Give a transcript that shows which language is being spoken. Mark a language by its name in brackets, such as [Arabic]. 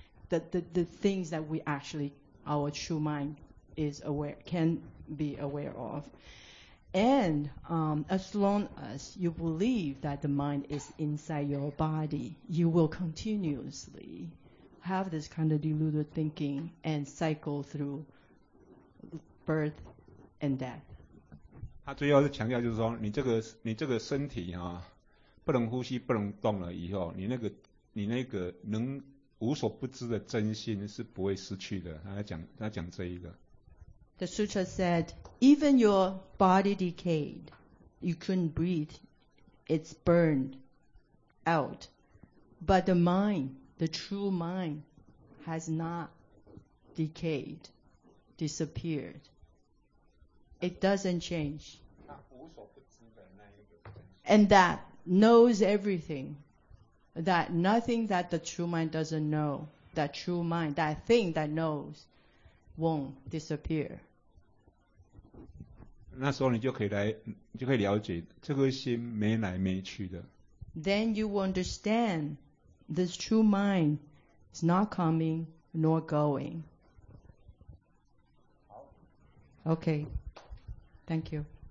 [English] The things that we actually, our true mind is aware, can be aware of. And as long as you believe that the mind is inside your body, you will continuously have this kind of deluded thinking and cycle through birth and death. [Chinese] 他最后是强调就是说，你这个身体啊，不能呼吸，不能动了以后，你那个能无所不知的真心是不会失去的。他讲这一个。 [English] The sutra said, even your body decayed, you couldn't breathe, it's burned out, but the mind, the true mind, has not decayed, disappeared. It doesn't change. [Chinese] 他无所不知的那一个。 [English] And that knows everything. That nothing that the true mind doesn't know, that true mind, that thing that knows, won't disappear. [Chinese] 那时候你就可以了解这个心没来没去的。 [English] Then you will understand this true mind is not coming nor going. Okay, thank you.